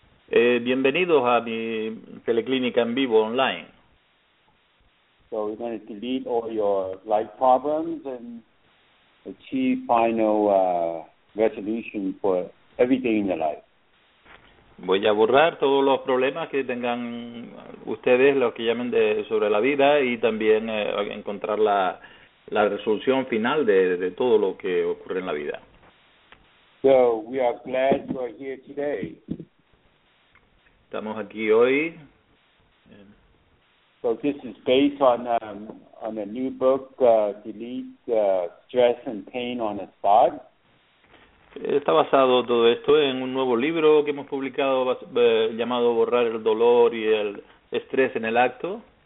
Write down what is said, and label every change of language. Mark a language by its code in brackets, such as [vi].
[es] Bienvenidos a mi teleclínica en vivo online. [en] So we're going to delete all your life problems and achieve final resolution for everything in your life. [es] Voy a borrar todos los problemas que tengan ustedes, los que llamen de sobre la vida, y también encontrar la resolución final de todo lo que ocurre en la vida. [en] So we are glad you are here today. [es] Estamos aquí hoy. [en] So this is based on a new book, Delete Stress and Pain on a Spot. [es] Está basado todo esto en un nuevo libro que hemos publicado llamado Borrar el dolor y el estrés en el acto.